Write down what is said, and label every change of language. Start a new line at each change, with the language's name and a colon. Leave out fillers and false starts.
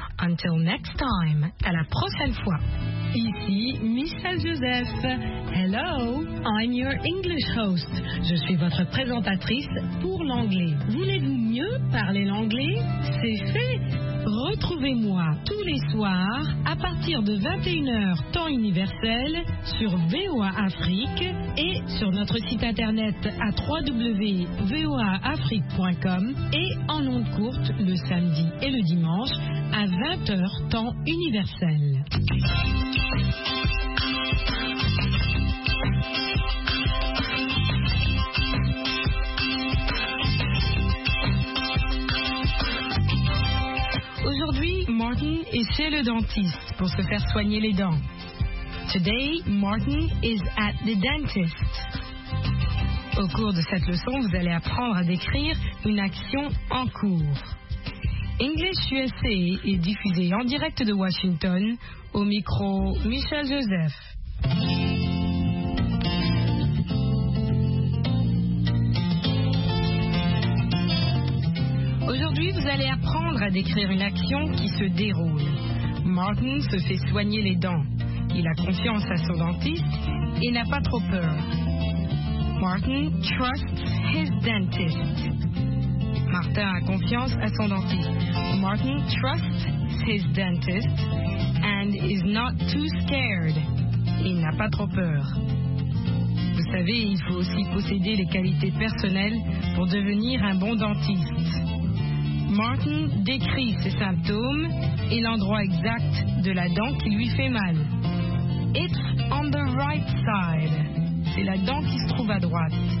English: Until next time,
French: à la prochaine fois. Ici Michel Joseph.
English: Hello, I'm your English host.
French: Je suis votre présentatrice pour l'anglais. Voulez-vous mieux parler l'anglais? C'est fait. Retrouvez-moi tous les soirs à partir de 21h temps universel sur VOA Afrique et sur notre site internet à www.voaafrique.com et en ondes courtes le samedi et le dimanche à 20h temps universel. Aujourd'hui, Martin est chez le dentiste pour se faire soigner les dents.
English: Today, Martin is at the dentist.
French: Au cours de cette leçon, vous allez apprendre à décrire une action en cours. English USA est diffusé en direct de Washington au micro Michel Joseph. Aujourd'hui, vous allez apprendre à décrire une action qui se déroule. Martin se fait soigner les dents. Il a confiance à son dentiste et n'a pas trop peur.
English: Martin trusts his dentist.
French: Martin a confiance à son dentiste.
English: Martin trusts his dentist and is not too scared.
French: Il n'a pas trop peur. Vous savez, il faut aussi posséder les qualités personnelles pour devenir un bon dentiste. Martin décrit ses symptômes et l'endroit exact de la dent qui lui fait mal.
English: It's on the right side.
French: C'est la dent qui se trouve à droite.